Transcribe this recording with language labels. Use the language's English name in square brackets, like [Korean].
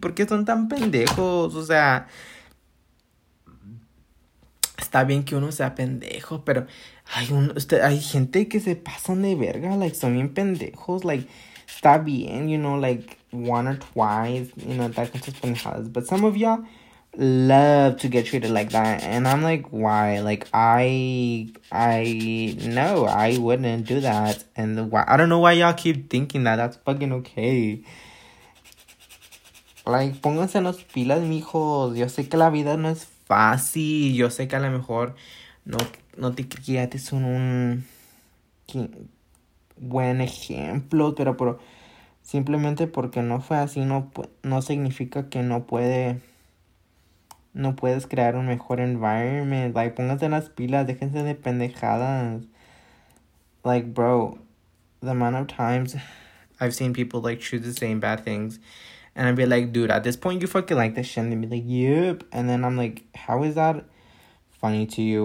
[Spanish] ¿Por qué son tan pendejos? O sea, está bien que uno sea pendejo, pero hay gente que se pasan de verga, [English] like, [Spanish] son bien pendejos, [English] like, [Spanish] está bien, [English] you know, like, one or twice, you know, that can just be hard, but some of y'all love to get treated like that, and I'm like, why? Like, no, I wouldn't do that, and why? I don't know why y'all keep thinking that, that's fucking okay. Like, [Spanish] pónganse en las pilas, mijos. Yo sé que la vida no es fácil. Yo sé que a lo mejor no te criaste en un buen ejemplo. Pero simplemente porque no fue así no significa que no puedes crear un mejor environment. [English] Like, [Spanish] pónganse en las pilas. Déjense de pendejadas. [English] Like, bro, the amount of times I've seen people, like, choose the same bad things. And I'd be like, dude, at this point, you fucking like this shit. And they'd be like, yep. And then I'm like, how is that funny to you?